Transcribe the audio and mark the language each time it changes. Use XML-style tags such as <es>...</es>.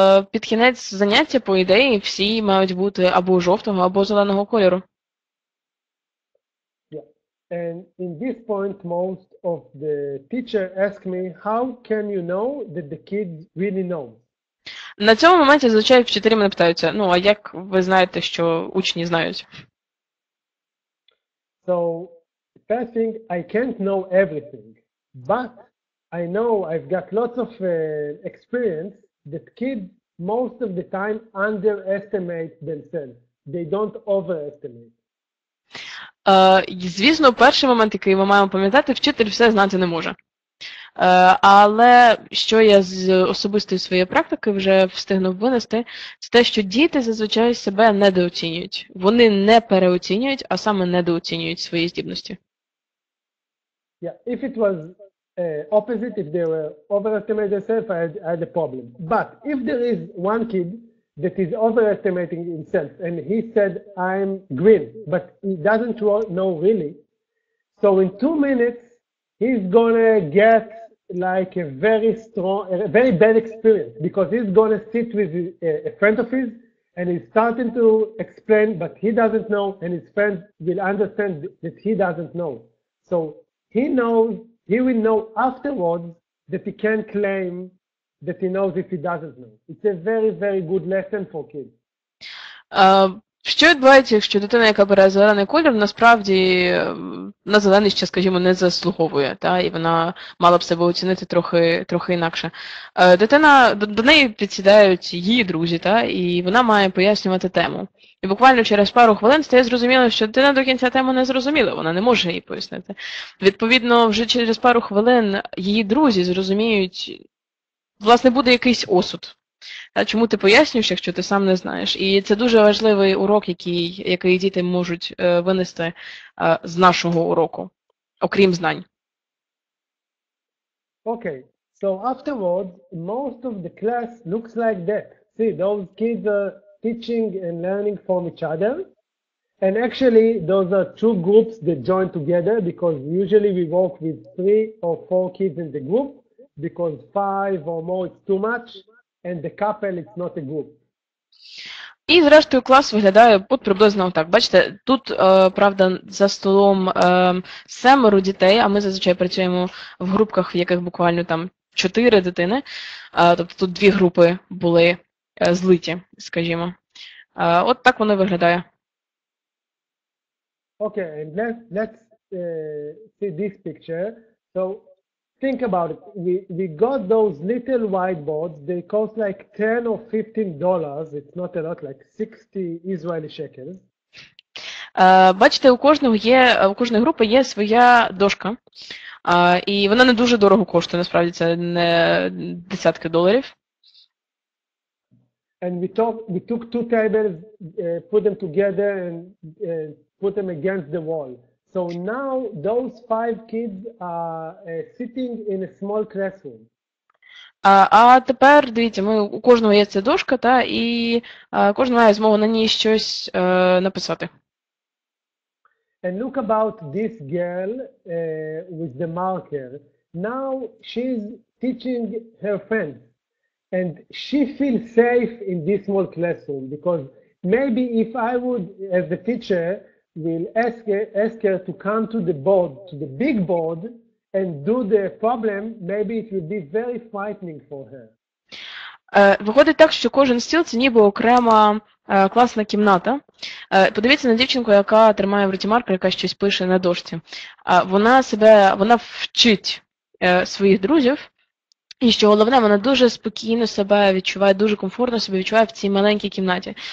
<uk>Під кінець заняття, по ідеї, всі мають бути або жовтого, або зеленого кольору.</uk> <en>And in this point, most of the teacher ask me, how can you know that the kids really know?</en> <uk>На цьому моменті зазвичай вчителі мене питаються, ну, а як ви знаєте, що учні знають?</uk> <en>So, first thing, I can't know everything, but I know I've got lots of experience that kids most of the time underestimate themselves. They don't overestimate.</en> <uk>Звісно, перший момент, який ми маємо пам'ятати, вчитель все знати не може. Але що я з особистої своєї практики вже встигнув винести, це те, що діти зазвичай себе недооцінюють. Вони не переоцінюють, а саме недооцінюють свої здібності.</uk> <en>Yeah, if it was opposite, if they were overestimating themselves, I had a problem. But if there is one kid that is overestimating himself, and he said, I'm green, but he doesn't know really. So in 2 minutes, he's gonna get like a very strong, a very bad experience, because he's gonna sit with a friend of his, and he's starting to explain, but he doesn't know, and his friend will understand that he doesn't know. So he knows, he will know afterwards that he can claim that he knows if he doesn't know. It's a very, very good lesson for kids.</en> <uk>Що відбувається, якщо дитина, яка бере зелений колір, насправді на зелений ще, скажімо, не заслуговує, та, і вона мала б себе оцінити трохи інакше. Дитина, до неї підсідають її друзі, та, і вона має пояснювати тему. І буквально через пару хвилин стає зрозуміло, що дитина до кінця тему не зрозуміла, вона не може її пояснити. Відповідно, вже через пару хвилин її друзі зрозуміють, власне, буде якийсь осуд. А чому ти пояснюєш, якщо ти сам не знаєш? І це дуже важливий урок, який діти можуть винести з нашого уроку, окрім знань.</uk> <en>Okay. So afterwards, most of the class looks like that. See, those kids are teaching and learning from each other. And actually, those are two groups that join together, because usually we work with three or four kids in the group, because five or more is too much, and the couple is not a group.</en> <uk>І, зрештою, клас виглядає от приблизно так. Бачите, тут, правда, за столом семеро дітей, а ми зазвичай працюємо в групках, в яких буквально там чотири дитини. Тобто тут дві групи були злиті, скажімо. От так воно виглядає.</uk> <en>Okay, and let's see this picture. So think about it. We got those little whiteboards. They cost like $10 or $15. It's not a lot, like 60 Israeli shekels.</en> <uk>Бачите, у кожної групи є своя дошка. І вона не дуже дорого коштує, насправді це не десятки доларів.</uk> <en>And we took two tables, put them together and put them against the wall. So now those five kids are sitting in a small classroom.</en> <uk>А тепер, дивіться, у кожного є ця дошка, та, і кожен має змогу на ній щось написати.</uk> <en>And look about this girl with the marker. Now she's teaching her friends. And she feels safe in this small classroom, because maybe if I would, as the teacher, will ask her to come to the board, to the big board, and do the problem, maybe it would be very frightening for her.</en> <uk>Виходить так, що кожен стіл – це ніби окрема класна кімната. Подивіться на дівчинку, яка тримає в руці маркер, яка щось пише на дошці. Вона вчить своїх друзів, і що головне, вона дуже спокійно себе відчуває, дуже комфортно себе відчуває в цій маленькій кімнаті.</uk>